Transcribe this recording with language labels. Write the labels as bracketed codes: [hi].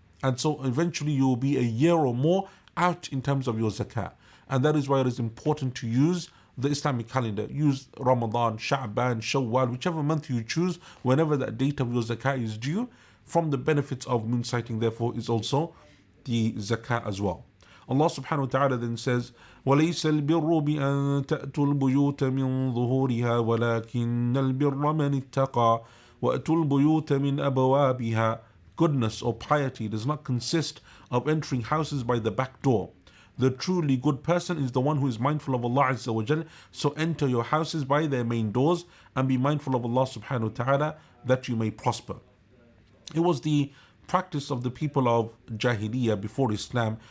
[en] And so eventually you will be a year or more out in terms of your zakah. And that is why it is important to use the Islamic calendar. Use Ramadan, Sha'ban, Shawwal, whichever month you choose, whenever that date of your zakah is due, from the benefits of moon sighting, therefore, is also the zakah as well. Allah subhanahu wa ta'ala then says, [ar] وَلَيْسَ الْبِرُّ بِأَنْ تَأْتُوا الْبُيُوتَ مِنْ ظُهُورِهَا وَلَكِنَّ الْبِرَّ مَنِ اتَّقَى وَأْتُوا الْبُيُوتَ مِنْ أَبْوَابِهَا. [en] Goodness or piety does not consist of entering houses by the back door. The truly good person is the one who is mindful of Allah Azza wa Jal. So enter your houses by their main doors and be mindful of Allah subhanahu wa ta'ala that you may prosper. It was the practice of the people of Jahiliyyah before Islam.